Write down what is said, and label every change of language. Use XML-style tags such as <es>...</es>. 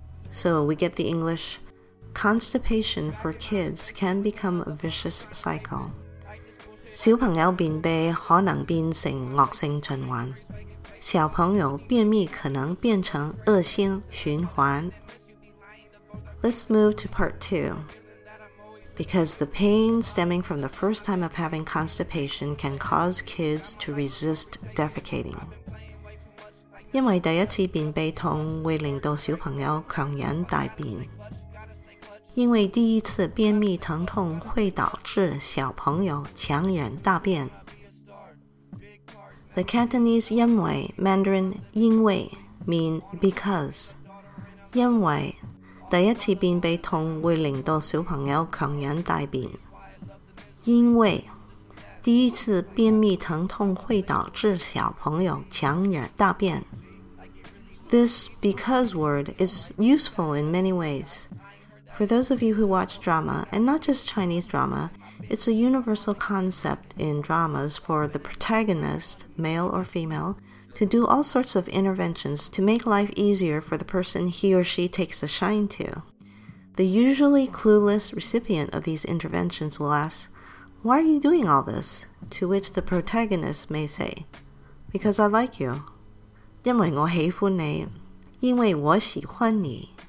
<en>So we get the English, constipation for kids can become a vicious cycle.</en> <zh>小朋友便秘可能变成恶性循环。小朋友便秘可能变成恶性循环。</zh> <en>Let's move to part two. Because the pain stemming from the first time of having constipation can cause kids to resist defecating.</en> <zh>因为第一次便秘痛会令到小朋友强忍大便。因为第一次便秘疼痛会导致小朋友强忍大便。</zh> <en>The Cantonese 因为 Mandarin 因为 mean because.</en> <zh>因为第一次便秘痛会令到小朋友强忍大便。因为第一次便秘疼痛会导致小朋友强忍大便。</zh> <en>This because word is useful in many ways. For those of you who watch drama, and not just Chinese drama, it's a universal concept in dramas for the protagonist, male or female, to do all sorts of interventions to make life easier for the person he or she takes a shine to. The usually clueless recipient of these interventions will ask, "Why are you doing all this?" To which the protagonist may say, "Because I like you."</en> <zh>因为我喜欢你，因为我喜欢你。</zh>